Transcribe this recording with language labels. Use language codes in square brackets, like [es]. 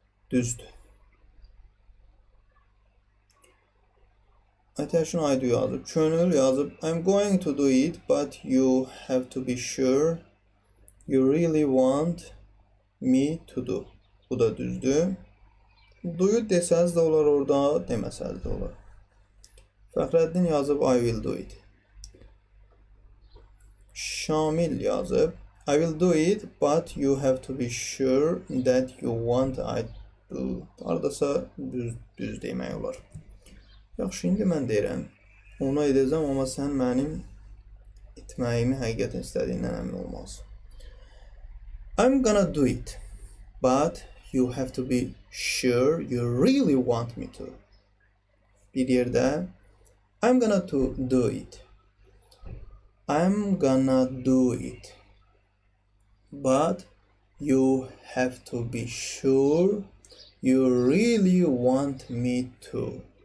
[az] Düzdür. Ateşin aydı yazıb, könül yazıb, [en] I'm going to do it, but you have to be sure you really want me to do. [az] Bu da düzdür. [en] Do it [az] desəz də olar, orada deməsəz də olar. [en] Fəxrəddin yazıb, I will do it. Şamil yazıb, I will do it, but you have to be sure that you want I do. [az] Aradasa düz demək olar. Yaxşı, indi mən deyirəm. Ona edəcəm, amma sən mənim etməyimi həqiqətən istədiyindən əmin olmalısın. [en] I'm gonna do it, but you have to be sure you really want me to. [az] Bir yerdə, [en] I'm gonna do it. I'm gonna do it, but you have to be sure you really want me to.